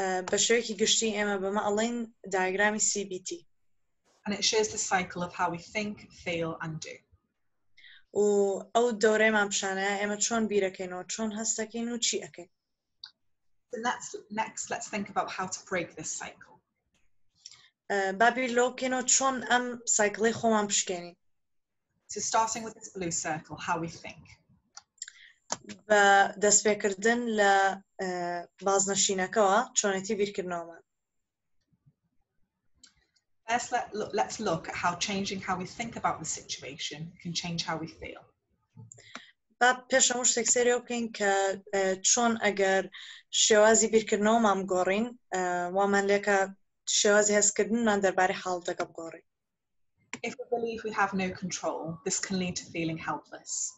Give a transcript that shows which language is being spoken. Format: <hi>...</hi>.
<ku>بەشێوەیەکی گشتی ئێمە بە مە ئەڵێین دایگرامی CBT.</ku> <en>And it shows the cycle of how we think, feel, and do.</en> <ku>و ئەو دەورەیمان پشانەیە ئێمە چۆن بیرەکەینەوە، چۆن هەستەکەین و چی ئەکەین.</ku> <en>Next, let's think about how to break this cycle.</en> <ku>با بیر لەوە بکەینەوە چۆن ئەم سایکڵەی خۆمان پشکێنین.</ku> <en>So starting with this blue circle, how we think.</en> <ku>بە دەستپێکردن لە بازنەشینەکەوە چۆنێتی بیرکردنەوەمان.</ku> <en>First, let's look at how changing how we think about the situation can change how we feel.</en> <ku>با پێش هەموو شتێک سەرەوە بکەین کە چۆن ئەگەر شێوازی بیرکردنەوەمان بگۆڕین، وامان لێکە شێوازی هەستکردنمان دەربارەی حاڵەتەکە بگۆڕین.</ku> <en>If we believe we have no control, this can lead to feeling helpless.</en>